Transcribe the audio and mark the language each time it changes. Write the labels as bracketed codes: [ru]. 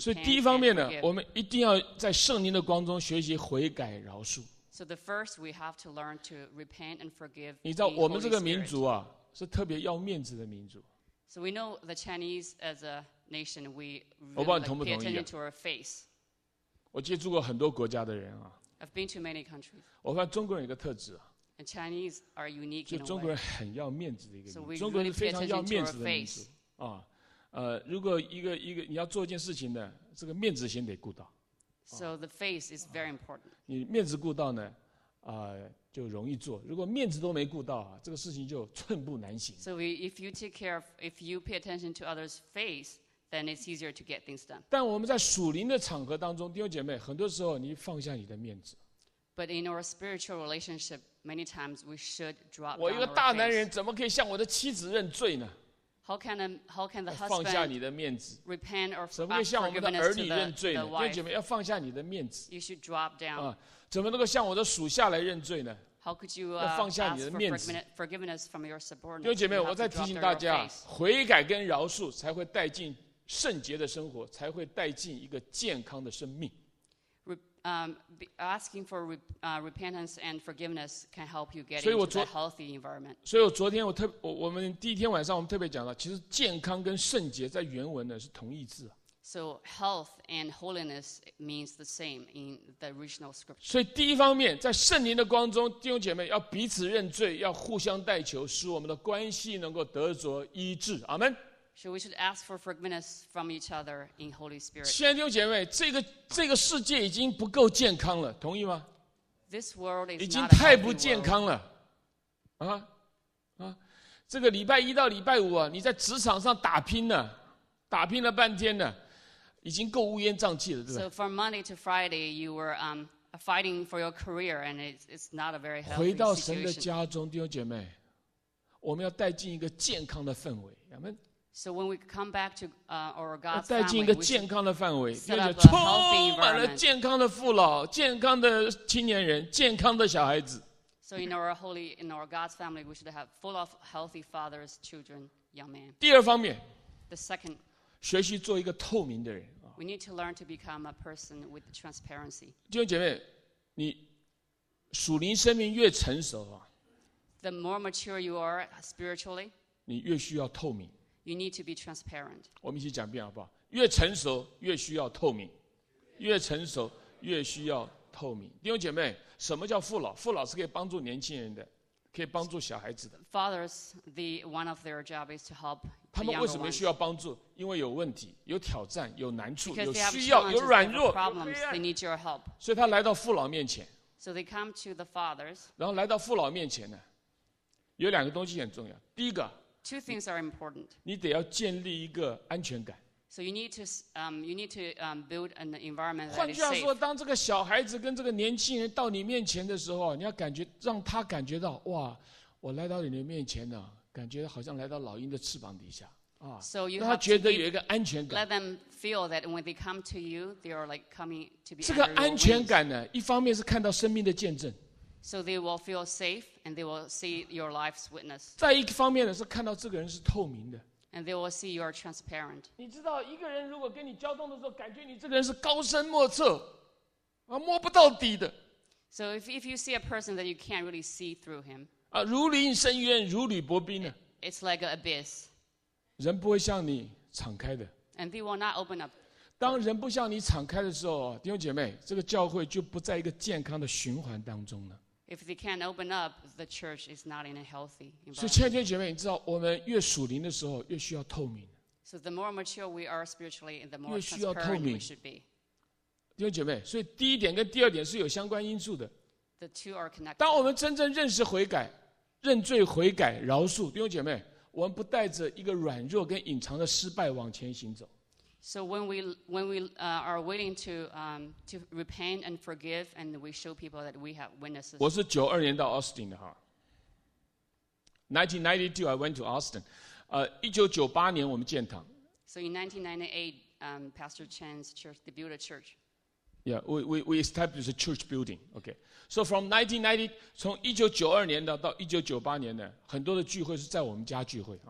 [zh] 所以第一方面呢，我们一定要在圣灵的光中学习悔改饶恕。 [en] So the first, we have to learn to repent and forgive. [zh] 你知道我们这个民族啊，是特别要面子的民族。 [en] So we know the Chinese as a nation, we really [zh] 我不知道你同不同意啊、 [en] pay attention to our face. [zh] 我接触过很多国家的人啊。 [en] I've been to many countries. [zh] 我发现中国人有一个特质啊。 [en] And Chinese are unique in a way. [zh] 就中国人很要面子的一个民族。 [en] So we [zh] 中国人是非常要面子的民族啊。如果一个你要做一件事情呢，这个面子先得顾到。 [en] So the face is very important. [zh] 你面子顾到呢，就容易做。如果面子都没顾到，这个事情就寸步难行。 [en] So if you take care of, if you pay attention to others' face, then it's easier to get things done. [zh] 但我们在属灵的场合当中，弟兄姐妹，很多时候你放下你的面子。 [en] But in our spiritual relationship, many times we should drop our face. [zh] 我一个大男人怎么可以向我的妻子认罪呢？ [en] How can the husband [zh] 放下你的面子 [en] repent or [zh] 怎么可以向我们的儿女认罪呢？弟兄姐妹，要放下你的面子。 [en] You should drop down. [zh] 怎么能够向我的属下来认罪呢？ [en] How could you [zh] 要放下你的面子。 [en] Forgiveness from your subordinates. [zh] 弟兄姐妹，我再提醒大家，悔改跟饶恕才会带进圣洁的生活，才会带进一个健康的生命。 [en] Asking for repentance and forgiveness can help you get into a healthy environment. [zh] 所以我昨天我们第一天晚上我们特别讲到，其实健康跟圣洁在原文呢是同义字。 [en] So health and holiness means the same in the original scripture. [zh] 所以第一方面，在圣灵的光中，弟兄姐妹要彼此认罪，要互相代求，使我们的关系能够得着医治。阿门。 [en] So we should ask for forgiveness from each other in Holy Spirit. [zh] 亲爱的弟兄姐妹，这个世界已经不够健康了，同意吗？ [en] This world is [zh] 已经太不健康了，这个礼拜一到礼拜五啊，你在职场上打拼了半天呢，已经够乌烟瘴气了，对吧？ [en] So from Monday to Friday, you were fighting for your career, and it's not a very healthy situation. [zh] 回到神的家中，弟兄姐妹，我们要带进一个健康的氛围，阿门。 [en] So when we come back to our God's family, [zh] 带进一个健康的范围，并且充满了健康的父老、健康的青年人、健康的小孩子。 [en] So in our holy, in our God's family, we should have full of healthy fathers, children, young men. [zh] 第二方面 [en] ，the second， [zh] 学习做一个透明的人。 [en] We need to learn to become a person with transparency. [zh] 弟兄姐妹，你属灵生命越成熟啊 [en] ，the more mature you are spiritually， [zh] 你越需要透明。 [en] You need to be transparent. [zh] 我们一起讲一遍好不好？越成熟越需要透明，越成熟越需要透明。弟兄姐妹，什么叫父老？父老是可以帮助年轻人的，可以帮助小孩子的。 [en] Fathers, the one of their job is to help. [zh] 他们为什么需要帮助？因为有问题、有挑战、有难处、有需要、有软弱、有 [en] problems. They need your help. [zh] 所以他来到父老面前。 [en] So they come to the fathers. [zh] 然后来到父老面前呢，有两个东西很重要。第一个。 [en] Two things are important. [zh] 你得要建立一个安全感。 [en] So you need to build an environment that is safe. [zh] 换句话说，当这个小孩子跟这个年轻人到你面前的时候，你要感觉让他感觉到，哇，我来到你的面前呢，感觉好像来到老鹰的翅膀底下啊。 [en] So you [zh] 让他觉得有一个安全感。 [en] Let them feel that when they come to you, they are like coming to be. [zh] 这个安全感呢，一方面是看到生命的见证。 [en] So they will feel safe, and they will see your life's witness. [zh] 再一方面呢，是看到这个人是透明的。 [en] And they will see you are transparent. [zh] 你知道，一个人如果跟你交通的时候，感觉你这个人是高深莫测，啊，摸不到底的。 [en] So if you see a person that you can't really see through him. [zh] 啊，如临深渊，如履薄冰呢。 [en] It's like an abyss. [zh] 人不会向你敞开的。 [en] And they will not open up. [zh] 当人不向你敞开的时候，弟兄姐妹，这个教会就不在一个健康的循环当中了。 [en] If they can't open up, the church is not in a healthy environment. [zh] 所以亲爱的弟兄姐妹，你知道，我们越属灵的时候，越需要透明。 [en] So the more mature we are spiritually, the more transparent we should be. [zh] 弟兄姐妹，所以第一点跟第二点是有相关因素的。 [en] The two are connected. [zh] 当我们真正认识悔改、认罪悔改、饶恕，弟兄姐妹，我们不带着一个软弱跟隐藏的失败往前行走。 [en] So when we are willing to repent and forgive, and we show people that we have witnesses. [zh] 我是92年到 Austin 的哈。 [en] 1992, I went to Austin. [zh] 1998年我们建堂。 [en] So in 1998, Pastor Chen's church, they built a church. Yeah, we established a church building. Okay. So from 1990, [zh] 从1992年到1998年呢，很多的聚会是在我们家聚会。